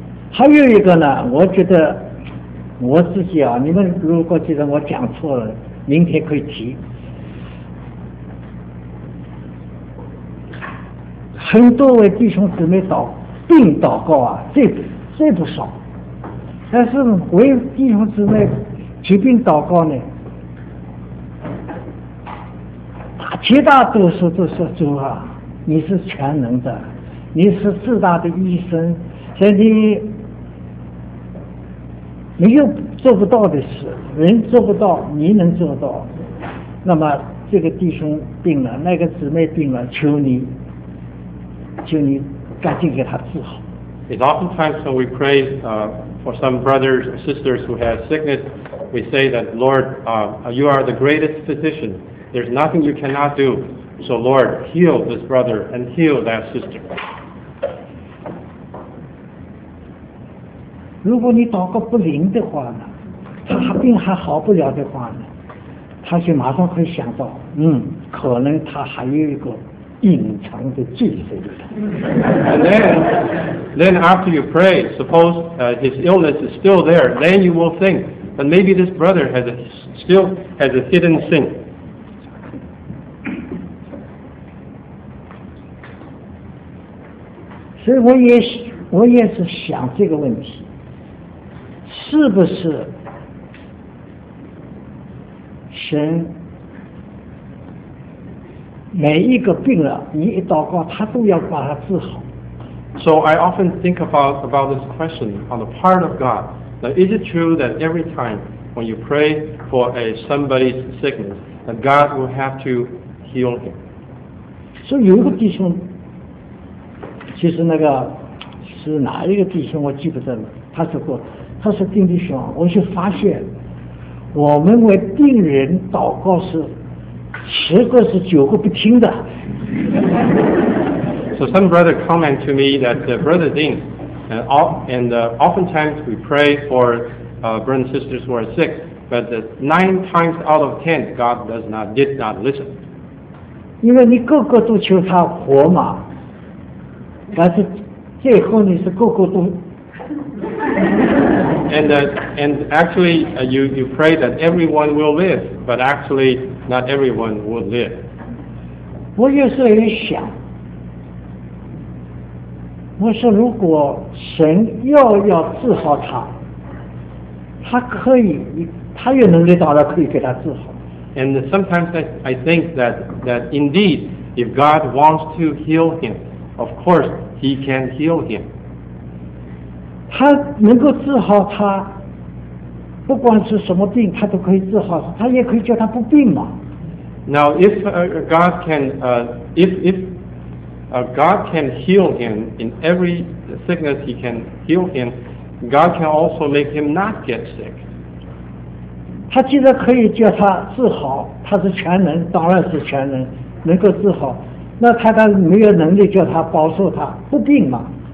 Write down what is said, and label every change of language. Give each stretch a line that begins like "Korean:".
Chinese: 还有一个呢，我觉得我自己啊，你们如果觉得我讲错了，明天可以提。很多位弟兄姊妹祷告啊，这不少，但是为弟兄姊妹疾病祷告呢？绝大多数都说主啊，你是全能的，你是至大的医生，所以你没有做不到的事，人做不到，你能做到。那么这个弟兄病了，那个姊妹病了，求你赶紧给他治好。
English: It's oftentimes when we pray for some brothers or sisters who have sickness, we say that Lord, you are the greatest physician. There's nothing you cannot do. So Lord, heal this brother and heal that sister.
Chinese: 如果你祷告不灵的话呢，他病还好不了的话呢，他就马上会想到，可能他还有一个隐藏的罪在里头。
English: And then after you pray, suppose his illness is still there, then you will think, but maybe this brother still has a hidden sin.
Chinese: 所以我也是想这个问题，是不是神每一个病了，你一祷告，他都要把他治好
English: ？So I often think about this question on the part of God. Now, is it true that every time When you pray for a somebody's sickness, God will have to heal him.
Chinese: 所以有一个弟兄，其实那个是哪一个弟兄我记不得了，他说过，他说丁弟兄，我就发现我们为病人祷告是十个是九个不听的。
English: So some brother comment to me that brother Dean, oftentimes we pray for brothers and sisters who are sick, but nine times out of ten, God did not listen.
Chinese: 因为你个个都求他活嘛，但是最后你是个个都。
English: And actually, you pray that everyone will live, but actually not everyone would live.
Chinese: 我有时候也想。我说如果神要治好他，他可以，他有能力到了可以给他治好。
English: And sometimes I think that indeed, if God wants to heal him, of course he can heal him.
Chinese: 他能够治好他，不管是什么病他都可以治好，他也可以叫他不病嘛。
English: Now if God can heal him in every sickness, he can heal him. God can also make him not get sick.
Chinese: 他既然可以叫他治好，他是全能，当然是全能，能够治好。那他当然没有能力叫他保守他不病嘛。